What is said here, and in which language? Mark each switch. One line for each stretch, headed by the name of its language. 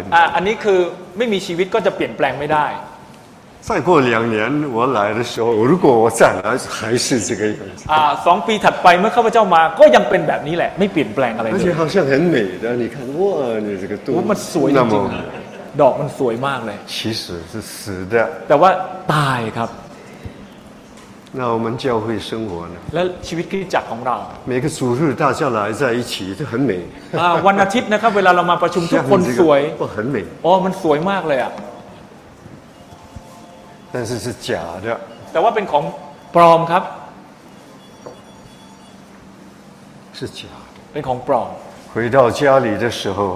Thai: 的อันนี้คือไม่มีชีวิตก็จะเปลี่ยนแปลงไม่ได้
Chinese: 再过两年我来的时候如果我再来还是这个样子
Thai: สองปีถัดไปเมื่อข้าพเจ้ามาก็ยังเป็นแบบนี้แหละไม่เปลี่ยนแปลงอะไรเลย
Chinese: 而且好像很美的你看哇你这个肚
Thai: 子มันสวยจริงดอกมันสวยมากเลย
Chinese: 其实是死的
Thai: แต่ว่าตายครับ
Chinese: 那我们教会生活呢
Thai: แล้วชีวิตคริสตจักรของเรา
Chinese: 每个主日大家来在一起就很美
Thai: วันอาทิตย์นะครับเวลาเรามาประชุมทุกคนสวย
Chinese: 很美
Thai: อ๋อมันสวยมากเลยอ่ะ
Chinese: 但是是假的
Thai: แต่ว่าเป็นของปลอมครับ
Chinese: 是假
Thai: เป็นของปลอม
Chinese: 回到家里的时候